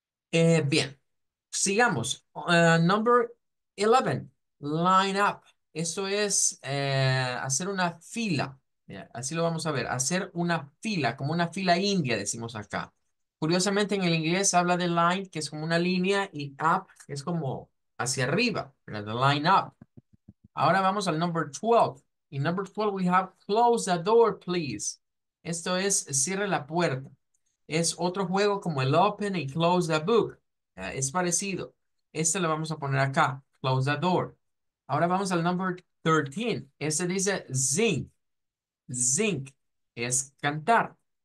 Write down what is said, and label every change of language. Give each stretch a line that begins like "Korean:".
Spanish: Bien, sigamos.
English: Number 11, line up.
Spanish: Eso es hacer una fila. Mira, así lo vamos a ver. Hacer una fila, como una fila india, decimos acá. Curiosamente, en el inglés habla de line, que es como una línea, y up, que es como hacia arriba. ¿Verdad?
English: Line up.
Spanish: Ahora vamos al number 12.
English: In number 12, we have close the door, please.
Spanish: Esto es cierre la puerta. Es otro juego como el open y
English: close the book.
Spanish: Es parecido. Este lo vamos a poner acá.
English: Close the door.
Spanish: Ahora vamos al number 13. Este dice zinc. Zinc es cantar.